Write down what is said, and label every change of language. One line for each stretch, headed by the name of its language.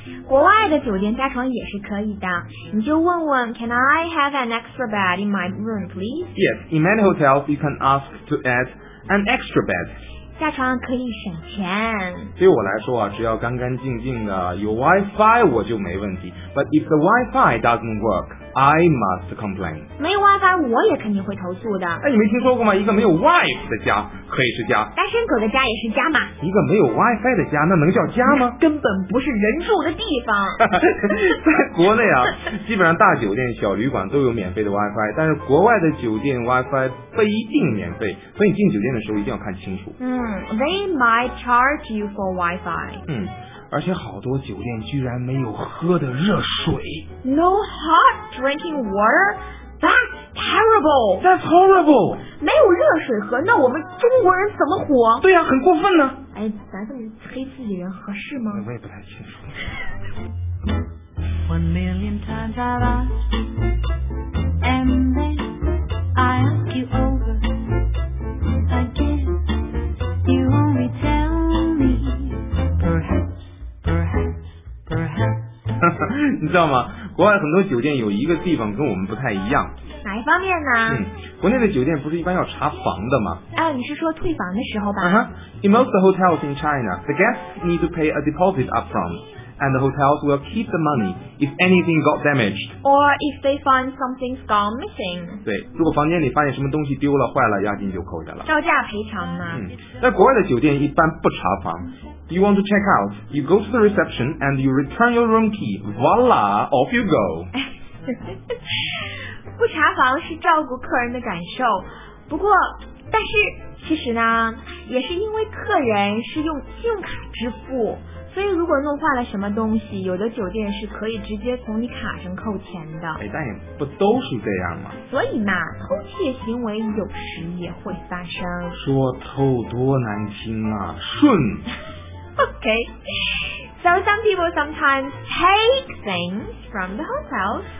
Chinese: 国外的酒店加床也是可以的，你就问问
English: Can I have an extra bed in my room, please? Yes, in many hotels you can ask to add an extra bed.
Chinese: 加床可以省钱。对我来说啊，只要干干净净的，有 WiFi 我就没问题。
English: But if the WiFi doesn't work, I must complain.
Chinese: 没有 WiFi 我也肯定会投诉的。哎，你没听说过吗？一个没有 wife 的家可以是家，单身狗的家也是家嘛。一个没有 WiFi 的家，那能叫家吗？根本不是人住的地方。在国内啊，基本上大酒店、小旅馆都有免费的 WiFi， 但是国外的酒店 WiFi 不一定免费，所以你进酒店的时候一定要看清楚。
English: 嗯 ，They might charge you for WiFi。
Chinese: 嗯，而且好多酒店居然没有喝的热水。
English: No hot drinking water. That's terrible. That's horrible.
Chinese: 没有热水喝，那我们中国人怎么活？对呀、啊，很过分呢。哎，咱这么黑自己人合适吗？我也不太清楚。
English: One million times I've asked you, and then I ask you over again. You only tell me perhaps, perhaps, perhaps.
Chinese: 你知道吗？国外很多酒店有一个地方跟我们不太一样。哪一方面呢？嗯，国内的酒店不是一般要查房的吗？啊，你是说退房的时候吧？
English: In most hotels in China, the guests need to pay a deposit upfront, and the hotels will keep the money if anything got damaged. Or if they find something's gone missing.
Chinese: 对，如果房间里发现什么东西丢了、坏了，押金就扣下了。照价赔偿嘛。嗯，那国外的酒店一般不查房。
English: You want to check out? You go to the reception and you return your room key. Voila, off you go.
Chinese: 不查房是照顾客人的感受，不过，但是其实呢，也是因为客人是用信用卡支付，所以如果弄坏了什么东西，有的酒店是可以直接从你卡上扣钱的。哎，但也不都是这样吗？所以嘛，偷窃行为有时也会发生。说偷多难听啊，顺。
English: OK。 So some people sometimes take things from the hotels.